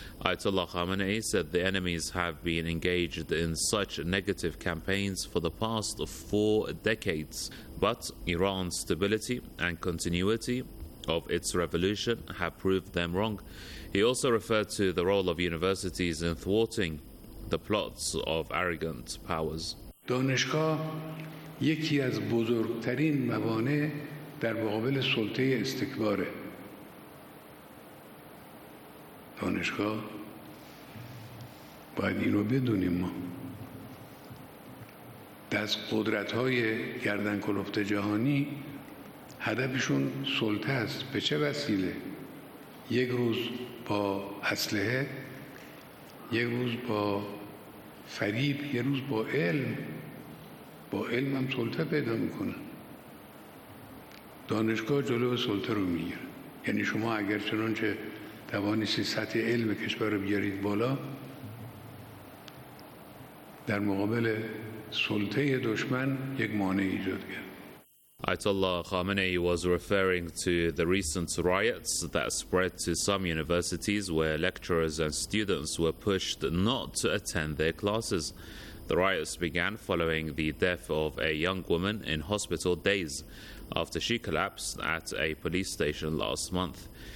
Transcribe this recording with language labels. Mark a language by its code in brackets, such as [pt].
[en] Ayatollah Khamenei said the enemies have been engaged in such negative campaigns for the past 4 decades, but Iran's stability and continuity of its revolution have proved them wrong. He also referred to the role of universities in thwarting the plots of arrogant powers. Donishka. [fa] یکی از بزرگترین موانع در مقابل سلطه استکباره. دانشگاه باید این رو بدونیم ما. دست قدرت‌های گردن کلفت جهانی هدفشون سلطه است. به چه وسیله؟ یک روز با با اسلحه، یک روز با فریب، یک روز با علم. با علم هم سلطه پیدا میکنه. دانشگاه جلو سلطه رو میگیره. یعنی شما اگر چنانچه توانیستی سطح علم کشور رو بیارید بالا، در مقابل سلطه دشمن یک مانع ایجاد کرد. [en] Ayatollah Khamenei was referring to the recent riots that spread to some universities where lecturers and students were pushed not to attend their classes. The riots began following the death of a young woman in hospital days after she collapsed at a police station last month.